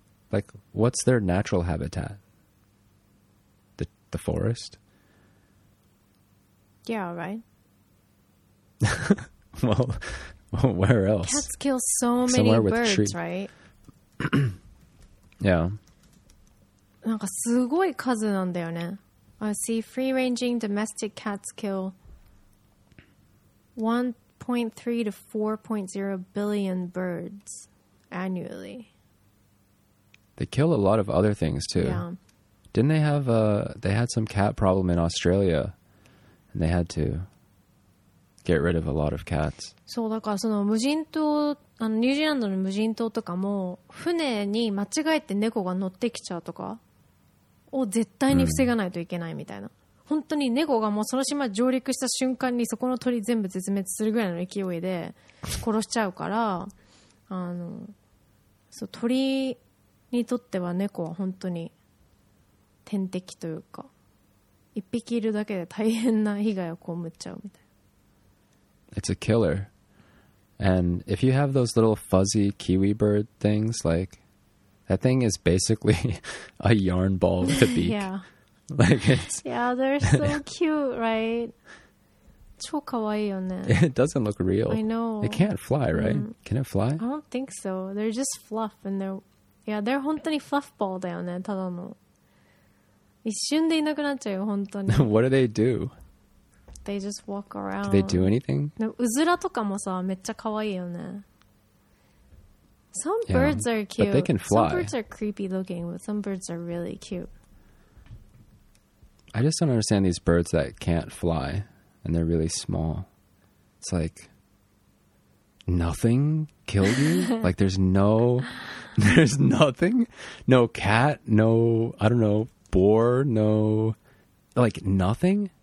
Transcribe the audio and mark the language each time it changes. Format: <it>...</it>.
<en>Like, what's their natural habitat? The forest? Yeah, right. Well, where else? Cats kill so many Somewhere with birds, tree. Right? Yeah.</en> <ja>なんかすごい数なんだよね。</ja> <en>I see free-ranging domestic cats kill 1.3 to 4.0 billion birds annually. They kill a lot of other things too. Yeah. Didn't they have they had some cat problem in Australia and they had to get rid of a lot of cats.</en> <ja>そうだからその無人島、あのニュージーランドの無人島とかも船に間違えて猫が乗ってきちゃうとかを絶対に防がないといけないみたいな、うん、本当に猫がもうその島上陸した瞬間にそこの鳥全部絶滅するぐらいの勢いで殺しちゃうからあのそう鳥にとっては猫は本当に天敵というか一匹いるだけで大変な被害を被っちゃうみたいな。</ja> <en>It's a killer. And if you have those little fuzzy kiwi bird things, like that thing is basically a yarn ball with a beak. Yeah. Like it's Yeah, they're so cute, right?</en> <ja>超可愛いよね。</ja> <en>It doesn't look real. I know. It can't fly, right?、Mm. Can it fly? I don't think so. They're just fluff and they'reいや、they're</en> <ja>本当にフラフボールだよね、ただの。一瞬でいなくなっちゃうよ、本当に。</ja> <en>What do they do? They just walk around. Do they do anything?</en> <ja>でもうずらとかもさ、めっちゃ可愛いよね。</ja> <en>Some birds yeah, are cute. But they can fly. Some birds are creepy looking, but some birds are really cute. I just don't understand these birds that can't fly and they're really small. It's like nothing killed you? Like there's nothing? No cat, no, I don't know, boar, no, like nothing?</en>